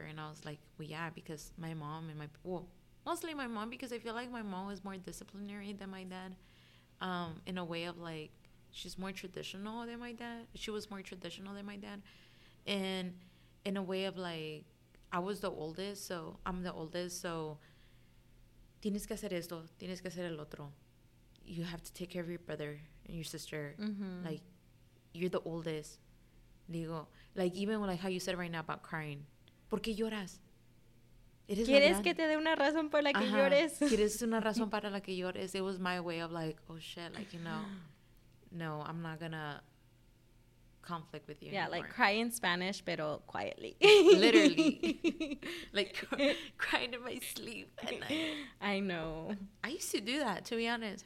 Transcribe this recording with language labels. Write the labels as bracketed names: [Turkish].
[English] And I was like, well, yeah, because my mom and mostly my mom, because I feel like my mom was more disciplinary than my dad, in a way of like, she's more traditional than my dad. She was more traditional than my dad. And in a way of like, I was the oldest, so I'm the oldest. So [Spanish] tienes que hacer esto, tienes que hacer el otro. [English] You have to take care of your brother and your sister. Mm-hmm. Like, you're the oldest. [Spanish] Digo, [English] like even like how you said right now about crying. [Spanish] ¿Por qué lloras? ¿Quieres que te dé una razón para la que llores? ¿Quieres una razón para la que llores? [English] It was my way of like, oh shit, like, you know. No, I'm not gonna conflict with you. Yeah, anymore. Like cry in Spanish, [Spanish] pero [English] quietly. Literally, like crying in my sleep at night. I know. I used to do that, to be honest.